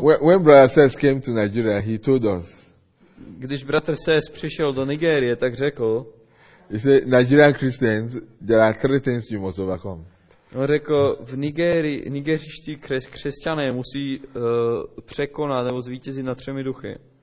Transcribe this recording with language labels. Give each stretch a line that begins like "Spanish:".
English: When brother Sess came to Nigeria, he told us.
Czech: Když bratr Sess přišel do Nigérie, tak řekl.
English: He said, Nigerian Christians, there are three things you must overcome.
Czech: On řekl, v nigeriští křesťané musí překonat nebo zvítězit na třemi duchy.